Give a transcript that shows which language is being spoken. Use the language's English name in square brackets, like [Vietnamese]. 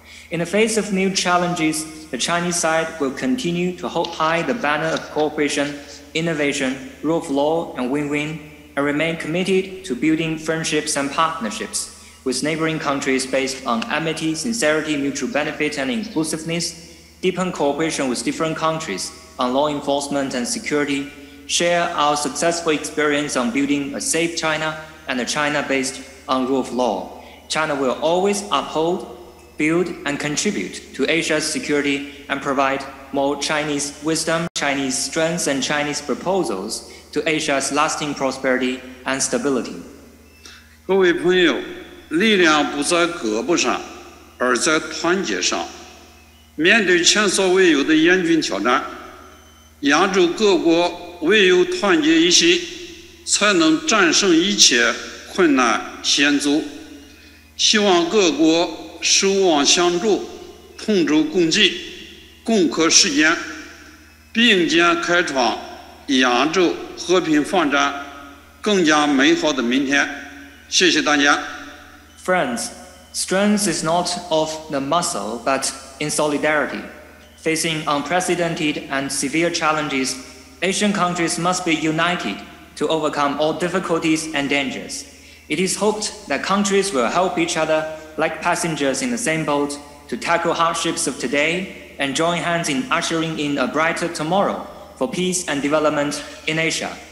[English] In the face of new challenges, the Chinese side will continue to hold high the banner of cooperation, innovation, rule of law, and win-win, and remain committed to building friendships and partnerships with neighboring countries based on amity, sincerity, mutual benefit, and inclusiveness, deepen cooperation with different countries on law enforcement and security, share our successful experience on building a safe China and a China based on rule of law. China will always uphold, build, and contribute to Asia's security and provide more Chinese wisdom, Chinese strengths, and Chinese proposals to Asia's lasting prosperity and stability. [Chinese] 各位朋友, 力量不在胳膊上，而在团结上。面对前所未有的严峻挑战，亚洲各国唯有团结一心，才能战胜一切困难险阻。希望各国守望相助，同舟共济，共克时艰，并肩开创亚洲和平发展更加美好的明天。谢谢大家。 [English] Friends, Strength is not of the muscle, but in solidarity. Facing unprecedented and severe challenges, Asian countries must be united to overcome all difficulties and dangers. It is hoped that countries will help each other, like passengers in the same boat, to tackle hardships of today and join hands in ushering in a brighter tomorrow for peace and development in Asia.